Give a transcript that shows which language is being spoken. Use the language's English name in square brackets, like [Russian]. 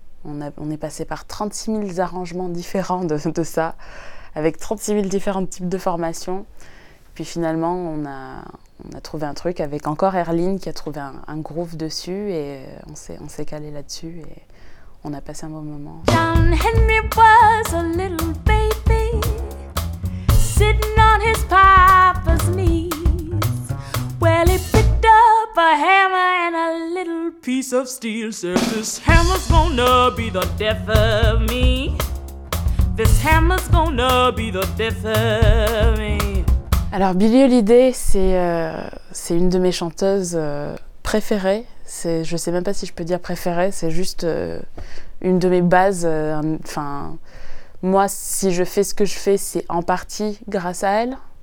[French] On est passé par 36 000 arrangements différents de ça, avec 36 000 différents types de formations. Puis finalement, on a trouvé un truc avec encore Erline qui a trouvé un groove dessus et on s'est calé là-dessus et on a passé un bon moment. [English] John Henry was a little baby sitting on his papa's knees. Well, he picked up a hammer and a little piece of steel. Sir, this hammer's gonna be the death of me. This hammer's gonna be the death of me. [French] Alors, Billie Holiday, c'est une de mes chanteuses préférées. Je sais même pas si je peux dire préférée, c'est juste une de mes bases. Enfin, moi, si je fais ce que je fais, c'est en partie grâce à elle.